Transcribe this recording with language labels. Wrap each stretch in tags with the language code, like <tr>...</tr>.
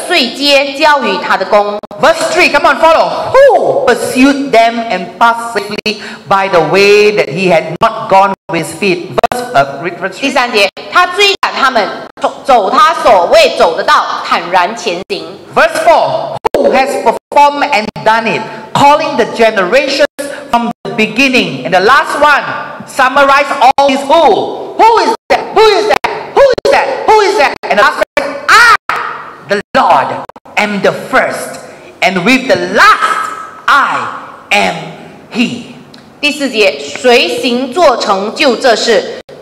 <zh>第二节，从谁从东方兴起一人，凭公义招他来到脚前呢？耶和华将列国交给他，使他管辖君王，把他们如灰尘交于他的刀，如风吹的碎秸交于他的弓。Verse</zh> <en>3, come on, follow. Who pursued them and passed safely by the way that he had not gone with his feet? Verse 3.</en> <zh>第三节。他追赶他们，走他所未走的道，坦然前行。</zh> <en>Verse 4, who has performed and done it, calling the generations from the beginning. And the last one, summarize all is who? Who is that? Who is that? Who is that? Who is that? And the last one, I, the Lord, am the first, and with the last, I am He.</en> <zh>第四节，谁行做成就这事？</zh>